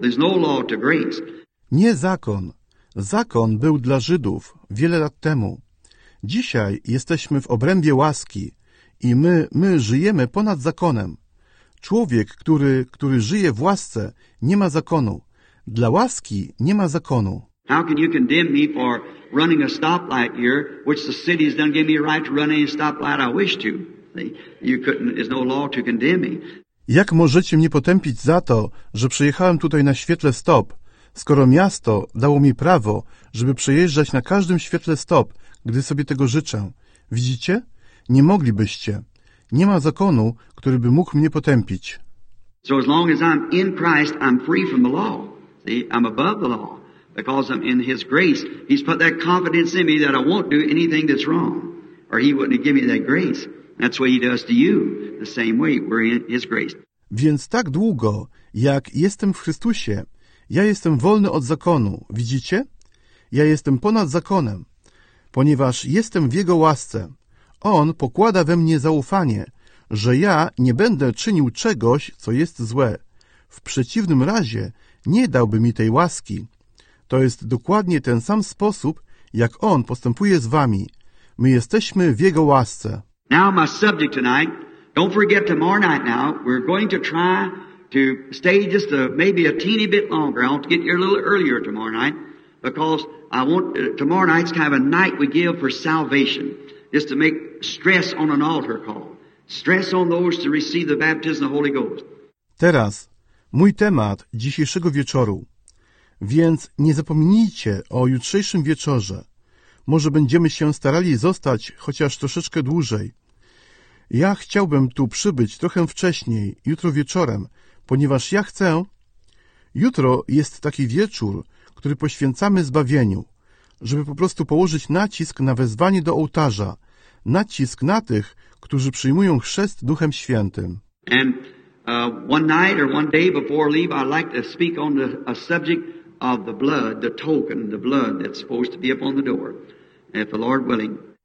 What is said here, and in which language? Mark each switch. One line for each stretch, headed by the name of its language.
English: There's no law to grace.
Polish: Nie zakon. Zakon był dla Żydów wiele lat temu. Dzisiaj jesteśmy w obrębie łaski i my żyjemy ponad zakonem. Człowiek, który żyje w łasce, nie ma zakonu. Dla łaski nie ma zakonu.
English: How can you condemn me for running a stoplight here, which the city has done give me a right to run any stoplight I wish to? You couldn't, there's no law to condemn me.
Polish: Jak możecie mnie potępić za to, że przejechałem tutaj na świetle stop, skoro miasto dało mi prawo, żeby przejeżdżać na każdym świetle stop, gdy sobie tego życzę? Widzicie? Nie moglibyście. Nie ma zakonu, który by mógł mnie potępić.
English: So as long as I'm in Christ, I'm free from the law. See, I'm above the law. Because I'm in His grace. He's put that confidence in me that I won't do anything that's wrong. Or He wouldn't give me that grace. That's what He does to you. The same way, we're in His grace.
Polish: Więc tak długo, jak jestem w Chrystusie, ja jestem wolny od zakonu. Widzicie? Ja jestem ponad zakonem. Ponieważ jestem w Jego łasce. On pokłada we mnie zaufanie, że ja nie będę czynił czegoś, co jest złe. W przeciwnym razie nie dałby mi tej łaski. To jest dokładnie ten sam sposób, jak On postępuje z wami. My jesteśmy w Jego łasce.
English: Now my subject tonight, don't forget tomorrow night now, we're going to try to stay just maybe a teeny bit longer. I want to get here a little earlier tomorrow night, because I want tomorrow night's kind of a night we give for salvation, just to make stress on an altar call. Stress on those to receive the baptism of the Holy Ghost.
Polish: Teraz mój temat dzisiejszego wieczoru. Więc nie zapomnijcie o jutrzejszym wieczorze. Może będziemy się starali zostać chociaż troszeczkę dłużej. Ja chciałbym tu przybyć trochę wcześniej, jutro wieczorem, ponieważ ja chcę... Jutro jest taki wieczór, który poświęcamy zbawieniu, żeby po prostu położyć nacisk na wezwanie do ołtarza, nacisk na tych, którzy przyjmują chrzest Duchem Świętym.
English: And one night or one day before leave, I'd like to speak on a subject of the blood, the token, the blood that's supposed to be upon the door, if the Lord willing.